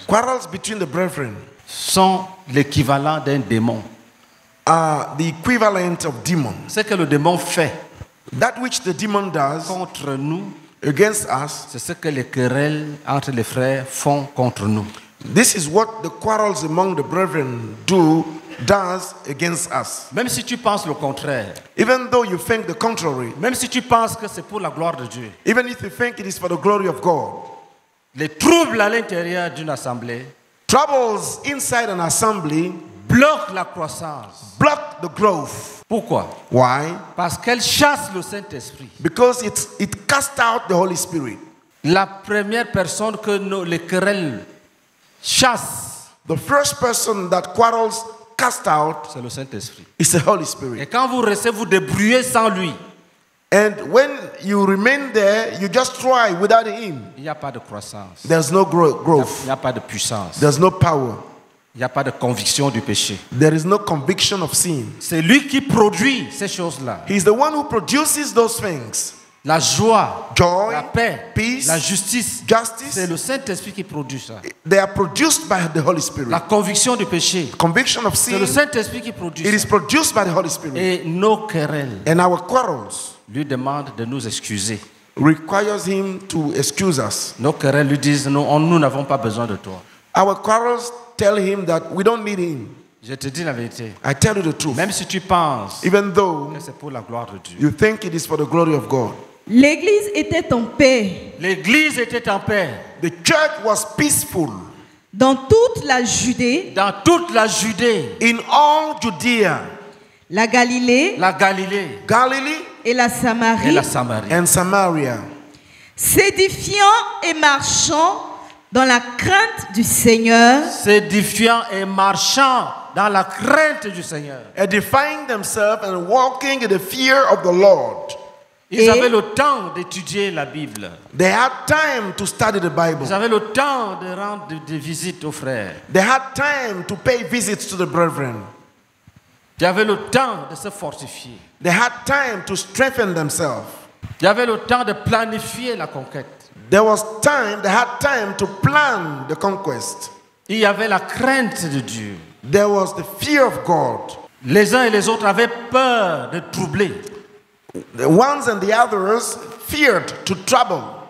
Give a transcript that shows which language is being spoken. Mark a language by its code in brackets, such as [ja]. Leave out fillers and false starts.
[en] Quarrels between the brethren. [fr] Sont l'équivalent d'un démon. [en] The equivalent of demon. [fr] Ce que le démon fait, [en] that which the demon does [fr] contre nous, [en] against us, [fr] c'est ce que les querelles entre les frères font contre nous. [en] This is what the quarrels among the brethren does against us. [fr] Même si tu penses le contraire, [en] even though you think the contrary, [fr] même si tu penses que c'est pour la gloire de Dieu, [en] even if you think it is for the glory of God, [fr] les troubles à l'intérieur d'une assemblée, [en] troubles inside an assembly, [fr] bloque la croissance. [en] Block the growth. [fr] Pourquoi? [en] Why? [fr] Parce qu'elle chasse le Saint-Esprit. [en] Because it casts out the Holy Spirit. [fr] La première personne que les querelles chassent. [en] The first person that quarrels cast out. [fr] C'est le Saint-Esprit. [en] It's the Holy Spirit. [fr] Et quand vous restez, vous débrouillez sans lui. [en] And when you remain there, you just try without him. [fr] Il n'y a pas de croissance. [en] There's no growth. [fr] Il n'y a pas de puissance. [en] There's no power. [fr] Il n'y a pas de conviction du péché. [en] There is no conviction of sin. [fr] C'est lui qui produit ces choses-là. [en] He is the one who produces those things. [fr] La joie, [en] joy, [fr] la paix, [en] peace, [fr] la justice, [en] justice. [fr] C'est le Saint-Esprit qui produit ça. [en] They are produced by the Holy Spirit. [fr] La conviction du péché, [en] conviction of sin. [fr] C'est le Saint-Esprit qui produit. [en] It is produced by the Holy Spirit. [fr] Et nos querelles, [en] and our quarrels, [fr] lui demande de nous excuser. [en] Requires him to excuse us. [fr] Nos querelles lui disent nous n'avons pas besoin de toi. [en] Our quarrels tell him that we don't need him. [fr] Je te dis la vérité. [en] I tell you the truth. [fr] Même si tu penses, [en] even though, [fr] que c'est pour la gloire de Dieu. [en] You think it is for the glory of God. [fr] L'église était en paix. L'église était en paix. [en] The church was peaceful. [fr] Dans toute la Judée. Dans toute la Judée. [en] In all Judea. [fr] La Galilée. La Galilée. Galilée. Et la Samarie. Et la Samarie. [en] And Samaria. [fr] S'édifiant et marchant dans la crainte du Seigneur. S'édifiant et marchant dans la crainte du Seigneur. [en] Edifying themselves and walking in the fear of the Lord. [fr] Ils avaient le temps d'étudier la Bible. [en] They had time to study the Bible. [fr] Ils avaient le temps de rendre des visites aux frères. [en] They had time to pay visits to the brethren. [fr] Ils avaient le temps de se fortifier. [en] They had time to strengthen themselves. [fr] Ils avaient le temps de planifier la conquête. [en] There was time, they had time to plan the conquest. [fr] Il y avait la crainte de Dieu. [en] There was the fear of God. [fr] Les uns et les autres avaient peur de troubler. [en] The ones and the others feared to trouble.